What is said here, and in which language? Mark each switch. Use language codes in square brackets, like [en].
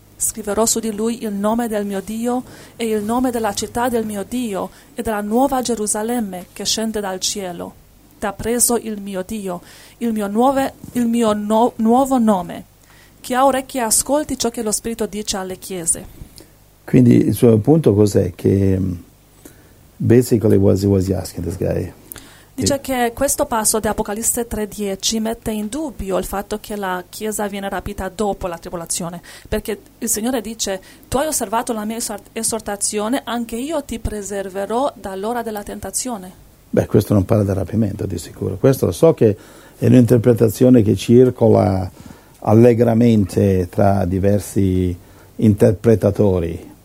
[it] Scriverò su di lui il nome del mio Dio e il nome della città del mio Dio e della nuova Gerusalemme che scende dal cielo. T'ha preso il mio Dio, il mio nuovo nome. Chi ha orecchie ascolti ciò che lo Spirito dice alle chiese. Quindi il suo punto cos'è? [en] Che basically what he was asking this guy. [it] Dice che questo passo di Apocalisse 3.10 mette in dubbio il fatto che la Chiesa viene rapita dopo la tribolazione, perché il Signore dice: tu hai osservato la mia esortazione, anche io ti preserverò dall'ora della tentazione. Beh, questo non parla del rapimento di sicuro, questo lo so che è un'interpretazione che circola allegramente tra diversi interpretatori.